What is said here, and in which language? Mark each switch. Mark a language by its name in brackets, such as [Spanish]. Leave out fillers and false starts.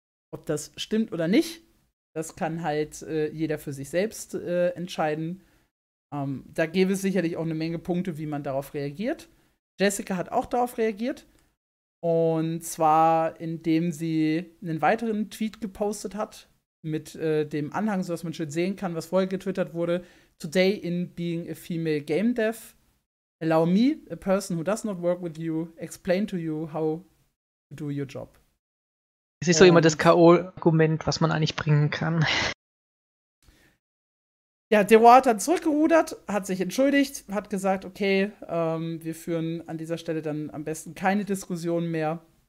[German] Ob das stimmt oder nicht, das kann halt jeder für sich selbst entscheiden. Da gäbe es sicherlich auch eine Menge Punkte, wie man darauf reagiert. Jessica hat auch darauf reagiert. Und zwar, indem sie einen weiteren Tweet gepostet hat mit dem Anhang, sodass man schön sehen kann, was vorher getwittert wurde. [English] Today in being a female game dev, allow me, a person who does not work with you, explain to you how to do your job. [German] Es ist so immer das K.O.-Argument, was man eigentlich bringen kann. Ja, Dero hat dann zurückgerudert, hat sich entschuldigt, hat gesagt, okay, wir führen an dieser Stelle dann am besten keine Diskussion mehr.